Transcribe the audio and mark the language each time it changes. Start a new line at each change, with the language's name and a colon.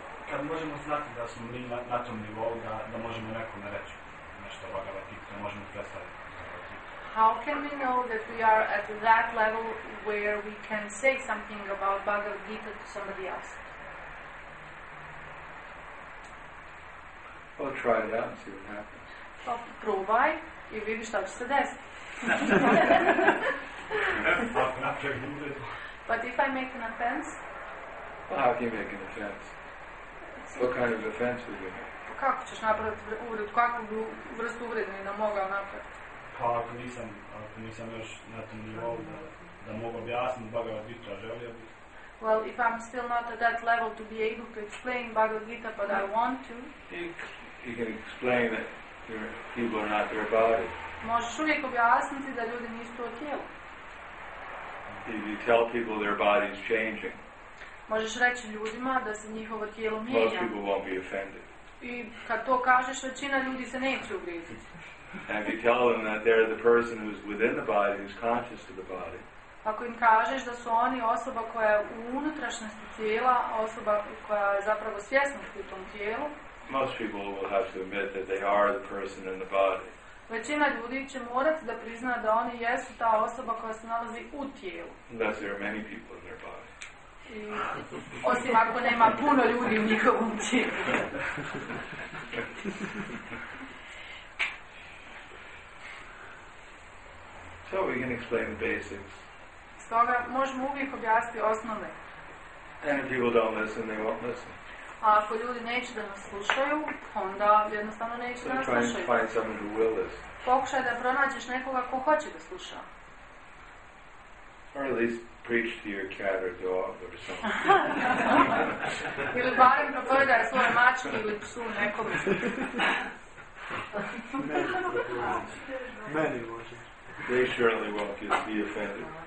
Serbian: Kad možemo znati da smo mi na tom nivou da možemo nekome reći nešto o Bhagavad Gita, da možemo predstaviti Bhagavad Gita?
English: How can we know that we are at that level where we can say something about Bhagavad Gita to somebody else? We'll try it out and see what happens.
Serbian: Pa probaj i vidi šta će se desiti.
English: But if I make an offense? Well, how can you make an offense? What kind of offense would you make?
Serbian: Kako ćeš napraviti uvred? Kako bi vrstu uvredne da mogao napraviti? Pa ako nisam još na tom nivou da mogu objasniti Bhagavad Gita, želio bi.
English: Well, if I'm still not at that level to be able to explain Bhagavad Gita, but I want to. You can explain that your people are not their body.
Serbian: Možeš uvijek objasniti da ljudi nisu to tijelo.
English: If you tell people their body is changing.
Serbian: Možeš reći ljudima da se njihovo tijelo mijenja. I kad to kažeš, većina ljudi se neće ugriziti.
English: And you tell them that they're the person who's within the body, who's conscious of the body.
Serbian: Ako im kažeš da su oni osoba koja je u unutrašnjosti tijela, osoba koja je zapravo svjesna u tom tijelu.
English: Most people will have to admit that they are the person in the body.
Serbian: Većina ljudi će morati da prizna da oni jesu ta osoba koja se nalazi u tijelu.
English: Unless there are many people in their body.
Serbian: osim ako nema puno ljudi u njihovom cijelu.
English: So we can explain the basics.
Serbian: Stoga možemo uvijek objasniti osnove.
English: And if people don't listen, they won't listen.
Serbian: A ako ljudi neće da nas slušaju, onda jednostavno neće da nas slušaju.
English: Try and find someone who will listen.
Serbian: Pokušaj da pronađeš nekoga ko hoće da sluša.
English: Or at least preach to your cat or dog or something.
Serbian: Ili barem propovedaj svoje mačke ili psu nekom. Meni može.
English: They surely won't be offended.